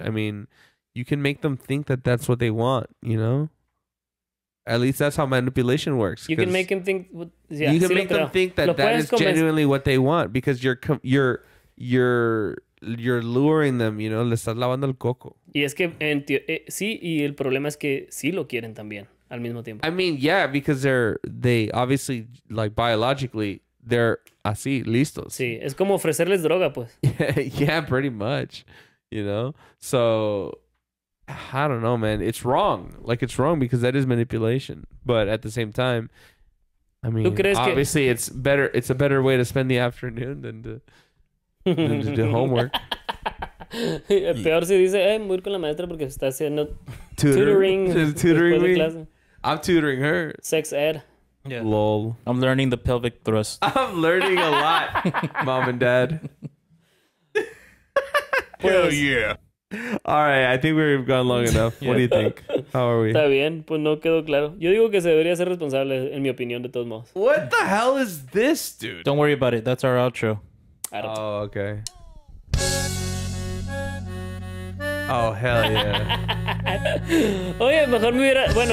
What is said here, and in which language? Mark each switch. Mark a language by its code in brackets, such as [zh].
[en] I mean, you can make them think that that's what they want, you know? At least that's how manipulation works. You can make them think yeah, you can [es] sí [en] make them [es] creo. [en] Think that [es] lo [en] that is genuinely what they want because you're luring them, you know, [es] le estás lavando el coco. Y es que sí, y el problema es que sí lo quieren también. Al mismo tiempo. [en] I mean, yeah, because they obviously, like, biologically, they're [es] así, listos. Sí, es como ofrecerles droga, pues. [en] Yeah, pretty much, you know? So, I don't know, man. It's wrong. Like, it's wrong because that is manipulation. But at the same time, I mean, obviously, [es] que... [en] it's a better way to spend the afternoon than to do homework. [es] Peor si dice, voy con la maestra porque está haciendo [en] tutoring. She's tutoring me. I'm tutoring her. Sex ed. Yeah. Lol. I'm learning the pelvic thrust. I'm learning a lot, mom and dad. Hell yeah. All right, I think we've gone long enough. Yeah. What do you think? How are we? [es] Está bien, pues no quedó claro. Yo digo que se debería ser responsable, en mi opinión, de todos modos. [en] What the hell is this, dude? Don't worry about it. That's our outro. Oh, okay. Oh, hell yeah. [es] Oye, mejor me hubiera... Bueno.